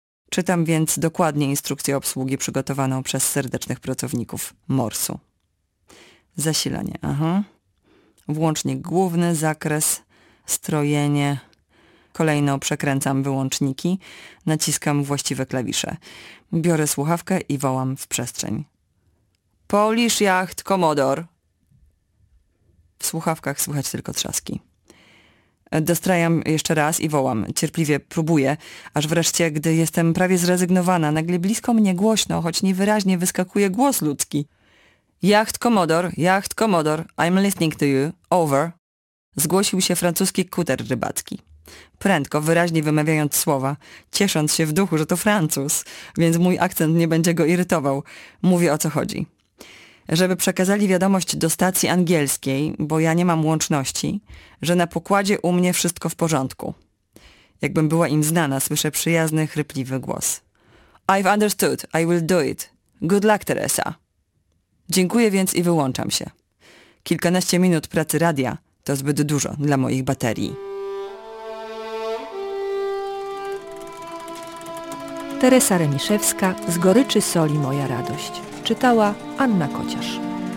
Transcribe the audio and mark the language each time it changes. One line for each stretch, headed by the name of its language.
Polish: Czytam więc dokładnie instrukcję obsługi przygotowaną przez serdecznych pracowników Morsu. Zasilanie, aha. Włącznik główny, zakres, strojenie. Kolejno przekręcam wyłączniki, naciskam właściwe klawisze. Biorę słuchawkę i wołam w przestrzeń.
English: Polish Yacht Commodore.
Polish: W słuchawkach słychać tylko trzaski. Dostrajam jeszcze raz i wołam. Cierpliwie próbuję, aż wreszcie, gdy jestem prawie zrezygnowana, nagle blisko mnie głośno, choć niewyraźnie, wyskakuje głos ludzki.
English: Yacht Commodore, Yacht Commodore, I'm listening to you, over.
Polish: Zgłosił się francuski kuter rybacki. Prędko, wyraźnie wymawiając słowa, ciesząc się w duchu, że to Francuz, więc mój akcent nie będzie go irytował, mówię, o co chodzi. Żeby przekazali wiadomość do stacji angielskiej, bo ja nie mam łączności, że na pokładzie u mnie wszystko w porządku. Jakbym była im znana, słyszę przyjazny, chrypliwy głos.
English: I've understood, I will do it. Good luck, Teresa.
Polish: Dziękuję więc i wyłączam się. Kilkanaście minut pracy radia to zbyt dużo dla moich baterii. Teresa Remiszewska, Z goryczy soli moja radość. Czytała Anna Kociarz.